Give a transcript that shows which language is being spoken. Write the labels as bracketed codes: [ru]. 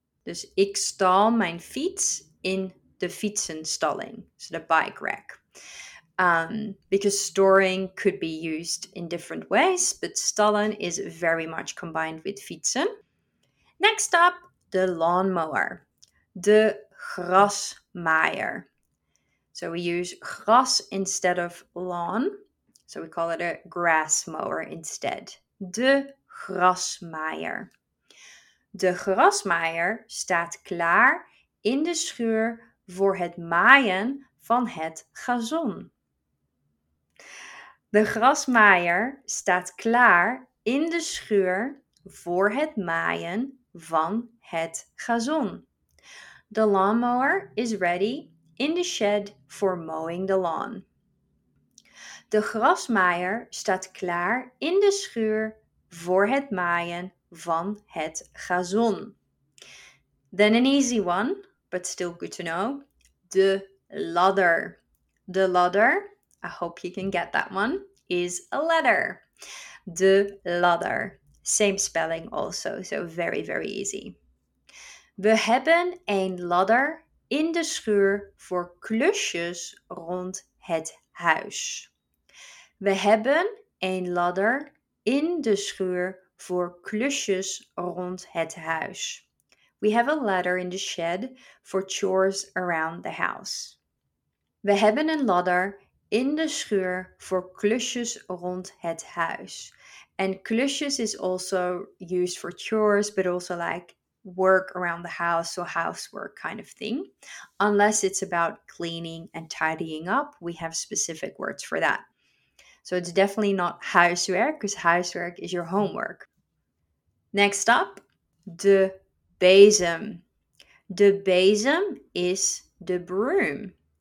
[nl] Dus ik stal mijn fiets in de fietsenstalling. [en] So the bike rack. Because storing could be used in different ways, but stallen is very much combined with fietsen. Next up, the lawnmower. De grasmaaier. So we use gras instead of lawn. So we call it a grass mower instead. De grasmaaier. [nl] De grasmaaier staat klaar in de schuur voor het maaien van het gazon. De grasmaaier staat klaar in de schuur voor het maaien van het gazon. [en] The lawnmower is ready in the shed for mowing the lawn. [nl] De grasmaaier staat klaar in de schuur voor het maaien van het gazon. [en] Then an easy one, but still good to know. De ladder. De ladder. I hope you can get that one. Is a ladder. De ladder. Same spelling also, so very, very easy. [nl] We hebben een ladder in de schuur voor klusjes rond het huis. We hebben een ladder in de schuur voor klusjes rond het huis. [en] We have a ladder in the shed for chores around the house. [nl] We hebben een ladder in de schuur voor klusjes rond het huis. [en] And klusjes is also used for chores, but also like work around the house or housework kind of thing. Unless it's about cleaning and tidying up, we have specific words for that. So it's definitely not huiswerk, because huiswerk is your homework. Next up, de bezem. De bezem is de broom.